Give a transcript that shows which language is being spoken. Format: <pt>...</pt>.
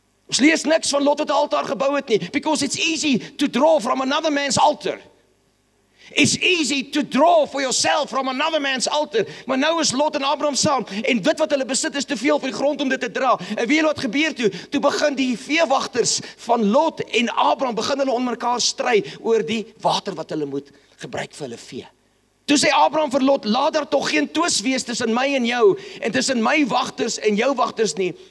<af>Ons lees niks van Lot het 'n altaar gebou het nie.</af> <en>Because it's easy to draw from another man's altar. It's easy to draw for yourself from another man's altar.</en> <af>Maar nou is Lot en Abraham saam. En dit wat hulle besit is te veel vir die grond om dit te dra. En weet wat gebeur toe? Toe begin die veewagters van Lot en Abraham begin hulle onder mekaar stry oor die water wat hulle moet gebruik vir hulle vee. Toe sê Abraham vir Lot, laat daar toch geen twis wees tussen my en jou en tussen my wagters en jou wagters nie.</af>